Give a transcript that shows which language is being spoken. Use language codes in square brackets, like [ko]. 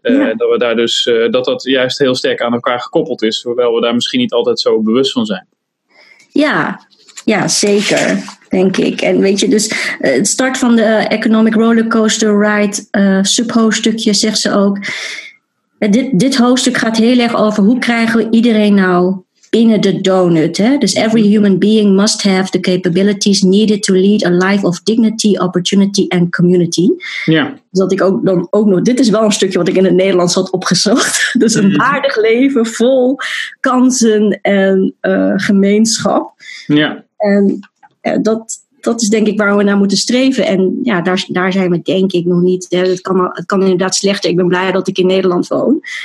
[nl] Dat we daar dus dat juist heel sterk aan elkaar gekoppeld is, hoewel we daar misschien niet altijd zo bewust van zijn. Ja, zeker, denk ik. En weet je, dus het start van de [en] economic rollercoaster ride, [nl] sub-hoofdstukje, zegt ze ook. Dit hoofdstuk gaat heel erg over hoe krijgen we iedereen nou binnen de donut. Hè? [en] Dus every human being must have the capabilities needed to lead a life of dignity, opportunity and community. [nl] Ja. Dat ik ook dan ook nog. Dit is wel een stukje wat ik in het Nederlands had opgezocht. Dus een waardig leven vol kansen en gemeenschap. Ja. En dat is denk ik waar we naar moeten streven. En ja, daar zijn we denk ik nog niet. Het kan inderdaad slechter. Ik ben blij dat ik in Nederland woon.